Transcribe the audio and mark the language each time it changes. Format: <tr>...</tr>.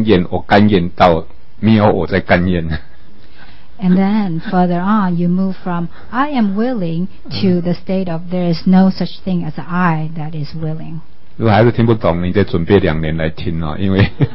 <zh>那甘愿以后再从甘愿，我甘愿到没有我在甘愿。</zh> <en>And then further on, you move from I am willing to the state of there is no such thing as I that is willing.</en> <zh>如果还是听不懂，你再准备两年来听哦，因为。</zh>